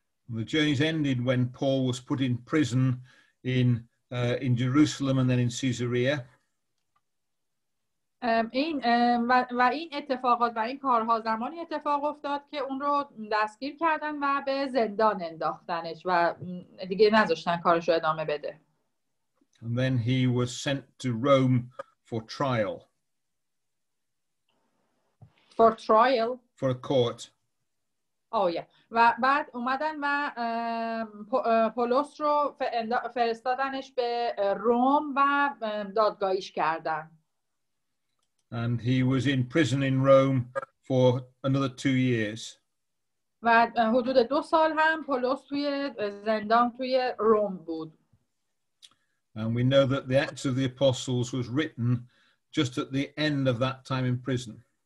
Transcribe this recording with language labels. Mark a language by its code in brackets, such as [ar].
[en] The journeys ended when Paul was put in prison in Jerusalem and then in Caesarea. [fa] این اتفاقات و این کارها زمانی اتفاق افتاد که اون رو دستگیر کردن و به زندان انداختنش و دیگه نذاشتن کارش رو ادامه بده. [en] And then he was sent to Rome for trial. For trial? For a court. Oh yeah. [fa] و بعد اومدن و پولس رو فرستادنش به روم و دادگاهیش کردن. [en] And he was in prison in Rome for another 2 years. [fa] و حدود 2 سال هم پولس توی زندان توی روم بود. [en] And we know that the Acts of the Apostles was written just at the end of that time in prison.